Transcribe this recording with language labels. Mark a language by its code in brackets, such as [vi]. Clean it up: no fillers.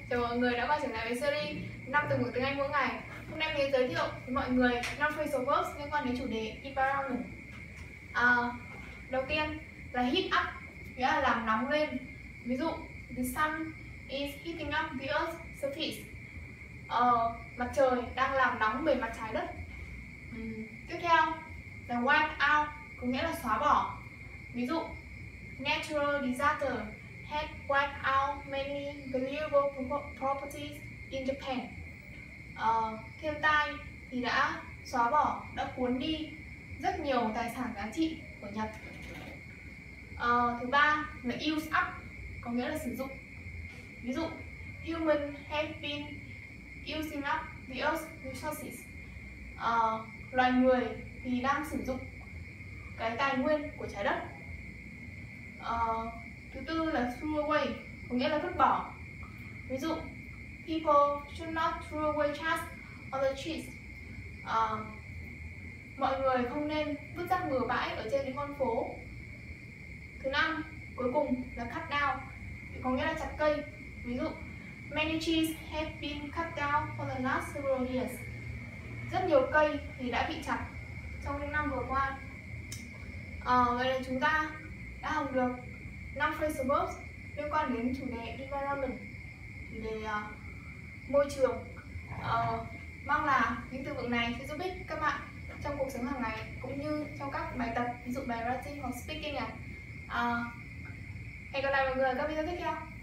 [vi] Chào mọi người đã quay trở lại với series 5 từ vựng tiếng Anh mỗi ngày. Hôm nay mình sẽ giới thiệu với mọi người 5 phrasal verbs liên quan đến chủ đề environment. Đầu tiên là heat up, nghĩa là làm nóng lên. Ví dụ, [en] the sun is heating up the earth's surface. [vi] Mặt trời đang làm nóng bề mặt trái đất. Tiếp theo là wipe out, có nghĩa là xóa bỏ. Ví dụ, [en] natural disaster had wiped out many valuable properties in Japan. [vi] Thiên tai thì đã xóa bỏ, đã cuốn đi rất nhiều tài sản giá trị của Nhật. Thứ ba là use up, có nghĩa là sử dụng. Ví dụ, [en] human have been using up the earth's resources. [vi] Loài người thì đang sử dụng cái tài nguyên của trái đất. Thứ tư là throw away, có nghĩa là vứt bỏ. Ví dụ, [en] people should not throw away trash on the streets. [vi] Mọi người không nên vứt rác bừa bãi ở trên những con phố. Thứ năm, cuối cùng là cut down, có nghĩa là chặt cây. Ví dụ, [en] many trees have been cut down for the last several years. [vi] Rất nhiều cây thì đã bị chặt trong những năm vừa qua. Vậy là chúng ta đã học được 5 phrasal verbs liên quan đến chủ đề environment, chủ đề môi trường. Mong là những từ vựng này sẽ giúp ích các bạn trong cuộc sống hàng ngày cũng như trong các bài tập, ví dụ bài writing hoặc speaking. Hẹn gặp lại mọi người ở các video tiếp theo.